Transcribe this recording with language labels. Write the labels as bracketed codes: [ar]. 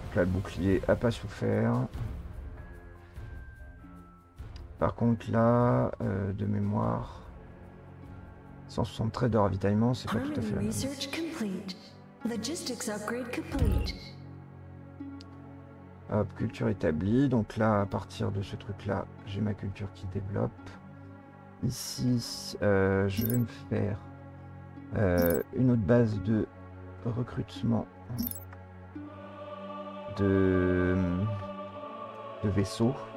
[fr] Là, le bouclier a pas souffert. Par contre, là, de mémoire, 173 de ravitaillement, c'est pas tout à fait la même. [en] research complete. Logistics upgrade complete. [fr] Hop, culture établie. Donc là, à partir de ce truc-là, j'ai ma culture qui développe. Ici, je vais me faire une autre base de recrutement de vaisseaux.